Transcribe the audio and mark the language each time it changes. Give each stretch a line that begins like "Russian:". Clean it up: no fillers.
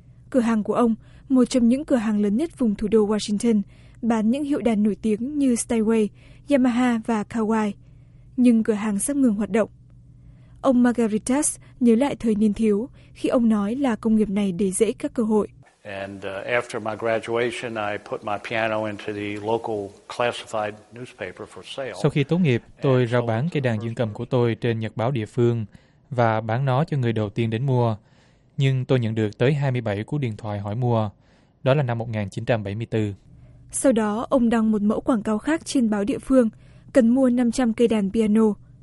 Vietnamese: Cửa hàng của ông, một trong những cửa hàng lớn nhất vùng thủ đô Washington, bán những hiệu đàn nổi tiếng như Steinway, Yamaha và Kawai, nhưng cửa hàng sắp ngừng hoạt động. Ông Margaritas nhớ lại thời niên thiếu khi ông nói là công nghiệp này để dễ các cơ hội.
English: And after my graduation, I put my piano into the local classified newspaper for sale.
Vietnamese: Sau khi tốt nghiệp, tôi rao bán cây đàn dương cầm của tôi trên nhật báo địa phương và bán nó cho người đầu tiên đến mua. Nhưng tôi nhận được tới 27 cú điện thoại hỏi mua. Đó là năm 1974. Sau đó, ông đăng một mẫu quảng cáo khác trên báo địa phương cần mua 500 cây đàn piano.